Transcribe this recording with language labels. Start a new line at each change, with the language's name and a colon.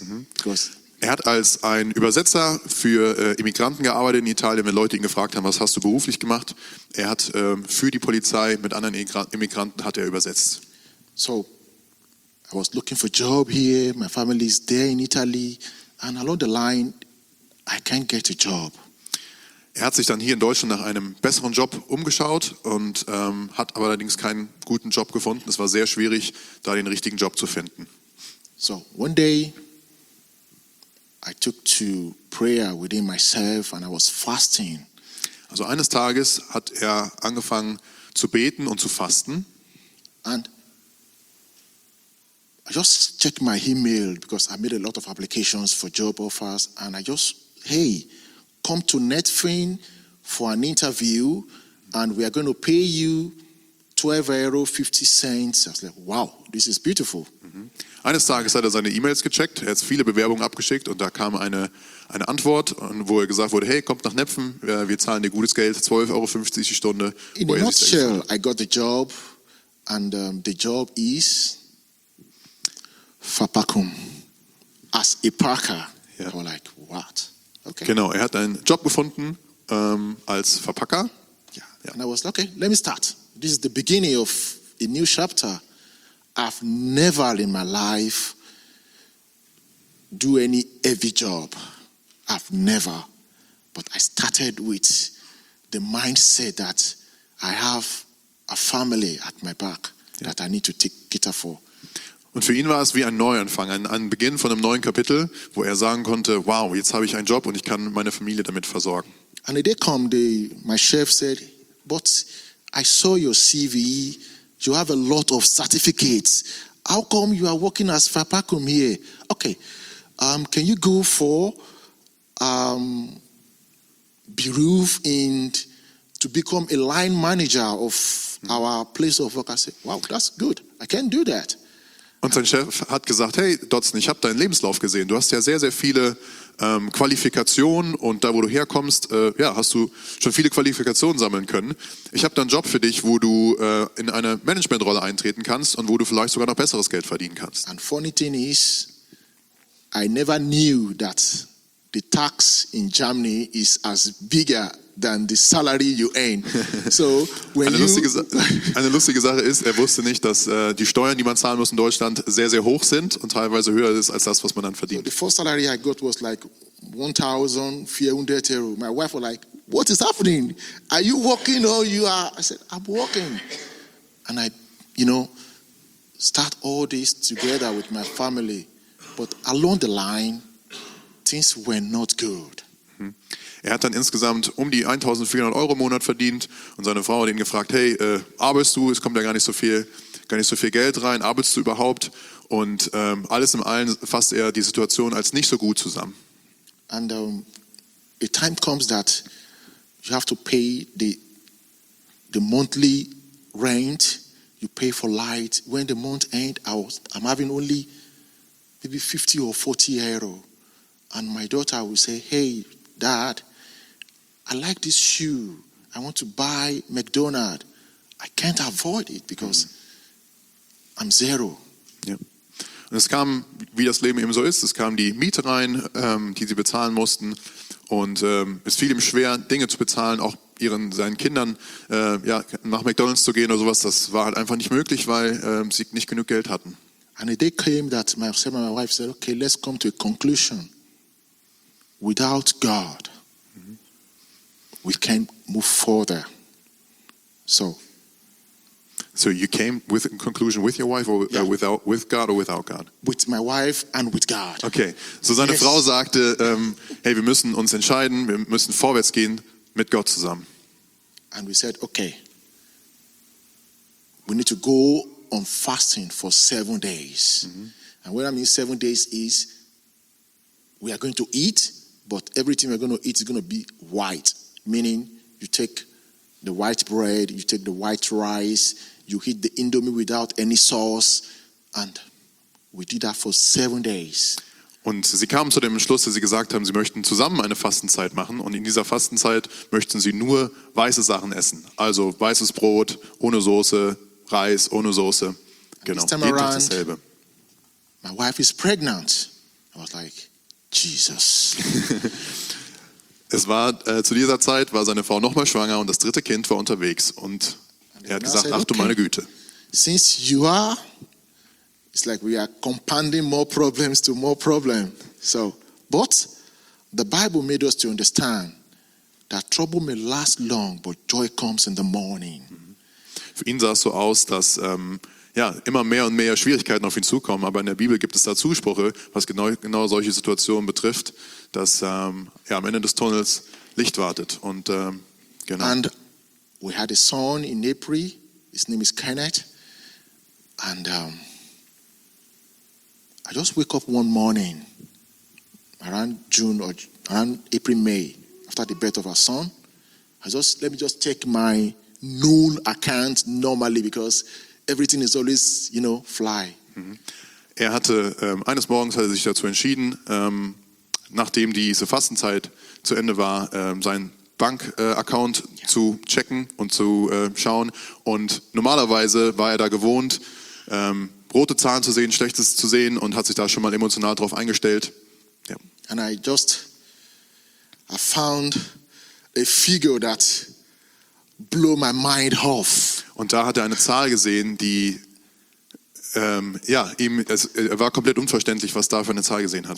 German: Mm-hmm. Er hat als ein Übersetzer für Immigranten gearbeitet in Italien, wenn Leute ihn gefragt haben, was hast du beruflich gemacht? Er hat für die Polizei mit anderen Immigranten hat er übersetzt.
English: So, I was looking for a job here, my family is there in Italy, and along the line, I can't get a job.
German: Er hat sich dann hier in Deutschland nach einem besseren Job umgeschaut und hat aber allerdings keinen guten Job gefunden. Es war sehr schwierig, da den richtigen Job zu finden.
English: So one day I took to prayer within myself and I was fasting.
German: Also eines Tages hat er angefangen zu beten und zu fasten.
English: And I just checked my email because I made a lot of applications for job offers and I just, hey, come to Netfin for an interview and we are going to pay you €12.50. I was like, wow, this is beautiful.
German: Eines Tages hat er seine E-Mails gecheckt, er hat viele Bewerbungen abgeschickt und da kam eine Antwort, wo er gesagt wurde, hey, kommt nach Nepfen, wir zahlen dir gutes Geld, €12.50 die Stunde.
English: In a nutshell, I got the job and the job is Verpackung as a Parker. Yeah. I was like, what? Okay.
German: Genau, er hat einen Job gefunden als Verpacker.
English: Yeah. Yeah. And I was like, okay, let me start. This is the beginning of a new chapter. I've never in my life do any heavy job. I've never. But I started with the mindset that I have a family at my back that I need to take care for.
German: Und für ihn war es wie ein Neuanfang, ein Beginn von einem neuen Kapitel, wo er sagen konnte, wow, jetzt habe ich einen Job und ich kann meine Familie damit versorgen.
English: And the day came, my chef said, but I saw your CV. You have a lot of certificates. How come you are working as Fapakum here? Okay, can you go for Beruf and to become a line manager of our place of work? I said, wow, that's good. I can do that.
German: Und sein Chef hat gesagt, hey, Dotson, ich habe deinen Lebenslauf gesehen. Du hast ja sehr, sehr viele Qualifikationen und da, wo du herkommst, hast du schon viele Qualifikationen sammeln können. Ich habe da einen Job für dich, wo du in eine Managementrolle eintreten kannst und wo du vielleicht sogar noch besseres Geld verdienen kannst.
English: And funny thing is, I never knew that the tax in Germany is as bigger than the salary you earn. So when
German: eine lustige Sache ist, er wusste nicht, dass die Steuern, die man zahlen muss in Deutschland, sehr, sehr hoch sind und teilweise höher ist als das, was man dann verdient.
English: So the first salary I got was like 1,400 euro. My wife was like, what is happening? Are you working or you are? I said, I'm working. And I, you know, start all this together with my family. But along the line, things were not good.
German: Er hat dann insgesamt um die 1.400 Euro im Monat verdient und seine Frau hat ihn gefragt, hey, arbeitest du? Es kommt ja gar nicht so viel Geld rein. Arbeitest du überhaupt? Und alles im allen fasst er die Situation als nicht so gut zusammen.
English: And the time comes that you have to pay the monthly rent, you pay for light. When the month ends, I'm having only maybe 50 or 40 euro. And my daughter will say, hey, dad, I like this shoe. I want to buy McDonald's. I can't avoid it because I'm zero. Yeah.
German: Und es kam, wie das Leben eben so ist, es kam die Miete rein, die sie bezahlen mussten. Und es fiel ihm schwer, Dinge zu bezahlen, auch seinen Kindern nach McDonald's zu gehen oder sowas. Das war halt einfach nicht möglich, weil sie nicht genug Geld hatten.
English: And a day came that myself and my wife said, okay, let's come to a conclusion. Without God, we can't move further. So you came with a conclusion with your wife or without with God or without God? With my wife and with God.
German: Okay, so seine Frau sagte, hey, wir müssen uns entscheiden, wir müssen vorwärts gehen mit Gott zusammen.
English: And we said, okay, we need to go on fasting for 7 days. Mm-hmm. And what I mean 7 days is we are going to eat, but everything we're going to eat is going to be white, meaning you take the white bread, you take the white rice, you eat the indomie without any sauce, and we did that for 7 days.
German: Und sie kamen zu dem Entschluss, dass sie gesagt haben, sie möchten zusammen eine Fastenzeit machen und in dieser Fastenzeit möchten sie nur weiße Sachen essen, also weißes Brot ohne Soße, Reis ohne Soße, genau, jeden Tag dasselbe.
English: My wife is pregnant. I was like, Jesus.
German: Es war zu dieser Zeit, war seine Frau nochmal schwanger und das dritte Kind war unterwegs. Und er hat gesagt, ach du meine Güte.
English: Since you are, it's like we are compounding more problems to more problems. So, but the Bible made us to understand that trouble may last long, but joy comes in the morning.
German: Für ihn sah es so aus, dass immer mehr und mehr Schwierigkeiten auf ihn zukommen. Aber in der Bibel gibt es da Zusprüche, was genau solche Situationen betrifft, dass am Ende des Tunnels Licht wartet. Und
English: And we had a son in April. His name is Kenneth. And I just wake up one morning around June or around April, May, after the birth of our son. Let me just check my noon account normally because everything is always, you know, fly.
German: Er hatte, eines Morgens hatte er sich dazu entschieden, nachdem diese Fastenzeit zu Ende war, seinen Bank-Account zu checken und zu schauen. Und normalerweise war er da gewohnt, rote Zahlen zu sehen, Schlechtes zu sehen und hat sich da schon mal emotional drauf eingestellt. Ja.
English: And I found a figure that blew my mind off.
German: Und da hat er eine Zahl gesehen, die er war komplett unverständlich, was da für eine Zahl gesehen hat.